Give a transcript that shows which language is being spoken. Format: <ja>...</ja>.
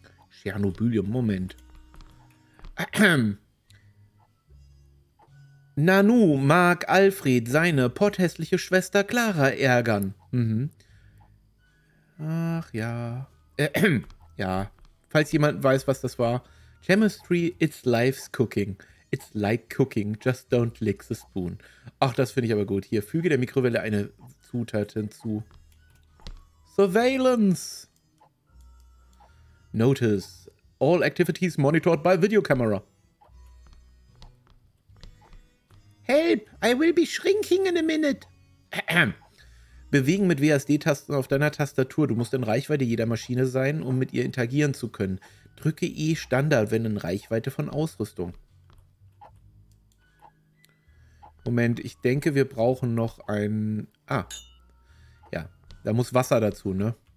<de>Tschernobylium, Moment. Nanu mag Alfred seine potthässliche Schwester Clara ärgern. Mhm. Ach ja. Ja, falls jemand weiß, was das war.</de> <en>Chemistry, it's life's cooking. It's like cooking, just don't lick the spoon.</en> <de>Ach, das finde ich aber gut. Hier, füge der Mikrowelle eine Zutat hinzu.</de> <en>Surveillance! Notice, all activities monitored by video camera. Help, I will be shrinking in a minute.</en> <de>Bewegen mit WASD-Tasten auf deiner Tastatur. Du musst in Reichweite jeder Maschine sein, um mit ihr interagieren zu können. Drücke E Standard, wenn in Reichweite von Ausrüstung. Moment, ich denke, wir brauchen noch ein... Ah, ja, da muss Wasser dazu, ne?</de>